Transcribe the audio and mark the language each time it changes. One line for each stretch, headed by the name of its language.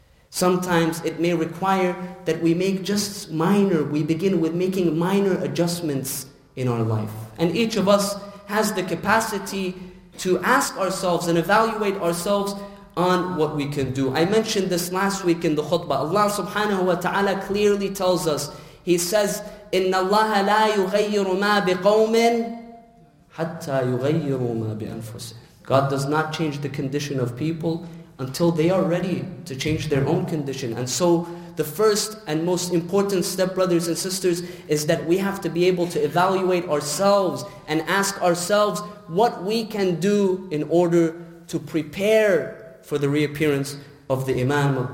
English: Sometimes it may require that we make just minor, we begin with making minor adjustments in our life. And each of us has the capacity to ask ourselves and evaluate ourselves on what we can do. I mentioned this last week in the khutbah. Allah subhanahu wa ta'ala clearly tells us, He says,
Arabic: إن الله لا يغير ما بقوم حتى يغير ما بأنفسه.
English: God does not change the condition of people until they are ready to change their own condition. And so the first and most important step, brothers and sisters, is that we have to be able to evaluate ourselves and ask ourselves what we can do in order to prepare for the reappearance of the Imam.